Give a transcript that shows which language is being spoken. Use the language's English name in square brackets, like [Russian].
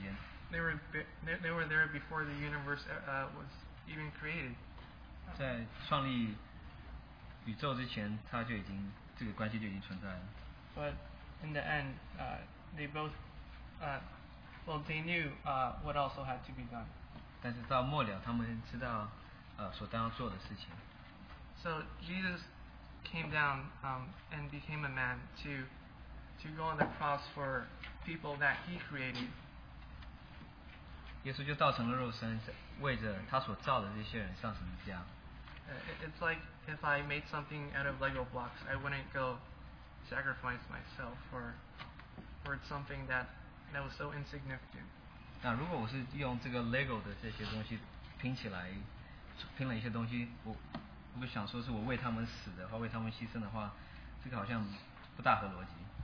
[Chinese] 那这幅图画就像我们耶稣和父神，那他与父神在一起，与神在一起是很久的一段时间。 [English] They were before the universe was even created. [Chinese] 在创立宇宙之前，他就已经这个关系就已经存在了。 [English] But in the end, they both, they knew what also had to be done. [Chinese] 但是到末了，他们知道，所当做的事情。 [English] So Jesus came down and became a man to go on the cross for people that he created. [Chinese] 耶稣就道成了肉身，为着他所造的这些人上十字架。 [English] It's like if I made something out of Lego blocks, I wouldn't go sacrifice myself for something that was so insignificant. [Chinese] 那如果我是用这个Lego的这些东西拼起来，拼了一些东西，我想说是我为他们死的话，为他们牺牲的话，这个好像不大合逻辑。